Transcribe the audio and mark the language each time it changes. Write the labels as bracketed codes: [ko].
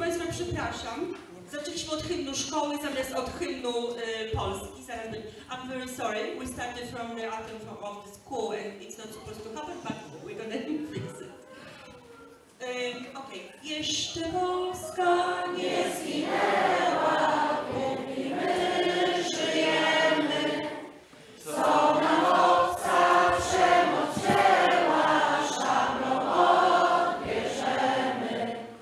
[pl] Przepraszam, zaczęliśmy od hymnu szkoły zamiast od hymnu Polski. [en] I'm very sorry, we started from the anthem of the school and it's not supposed to happen, but we're gonna fix it. Okay. [pl] Jeszcze Polska nie zginęła, póki my żyjemy. Co nam obca przemoc ciała, szabro odbierzemy.